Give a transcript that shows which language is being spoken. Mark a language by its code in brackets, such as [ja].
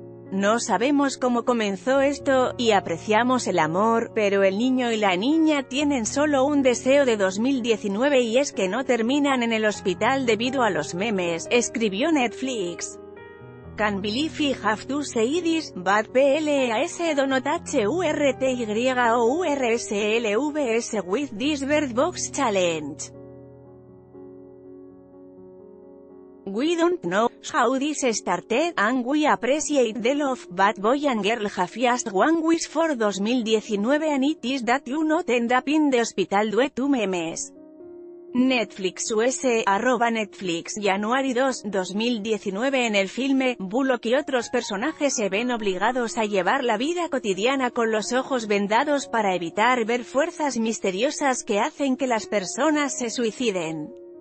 [es] No sabemos cómo comenzó esto, y apreciamos el amor, pero el niño y la niña tienen solo un deseo de 2019 y es que no terminan en el hospital debido a los memes, escribió Netflix. [en] Can believe you have to say this, but PLAS don't hurt yourselves with this Bird Box Challenge. We don't know how this started, and we appreciate the love, but boy and girl have just one wish for 2019 and it is that you not end up in the hospital due to memes. Netflix US, arroba Netflix, January 2, 2019. [es] En el filme, Bullock y otros personajes se ven obligados a llevar la vida cotidiana con los ojos vendados para evitar ver fuerzas misteriosas que hacen que las personas se suiciden.